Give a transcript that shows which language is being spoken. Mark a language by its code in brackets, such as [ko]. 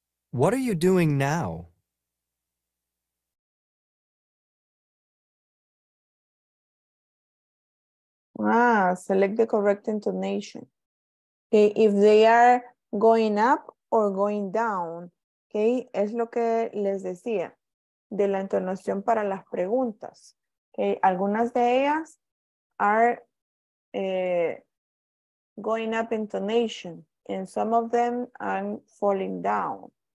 [en] What are you doing now? Ah, select the correct intonation. Okay, if they are going up or going down. [es] Okay, es lo que les decía de la entonación para las preguntas. [en] Okay, [es] algunas de ellas [en] are going up intonation, and some of them I'm falling down.